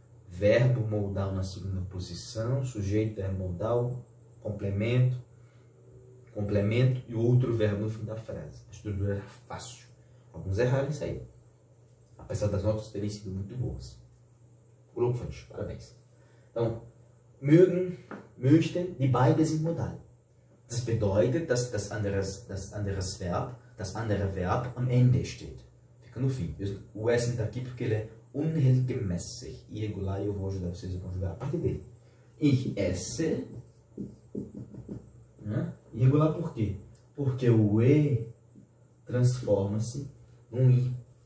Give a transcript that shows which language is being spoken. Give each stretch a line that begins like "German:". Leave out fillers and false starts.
Portuguese: Verbo modal na segunda posição, sujeito, verbo modal, complemento, complemento e outro verbo no fim da frase. A estrutura era fácil. Alguns erraram isso aí. Apesar das notas terem sido muito boas. Glückwunsch, parabéns. Então, mögen, möchten,
German: die beiden sind modal. Das bedeutet, dass das andere Verb am Ende steht.
Portuguese: Fica no fim. O S está aqui porque ele é unregelmäßig, irregular, e eu vou ajudar vocês a conjugar a partir dele.
German: Ich esse,
Portuguese: né? Irregular por quê? Porque o E transforma-se num I.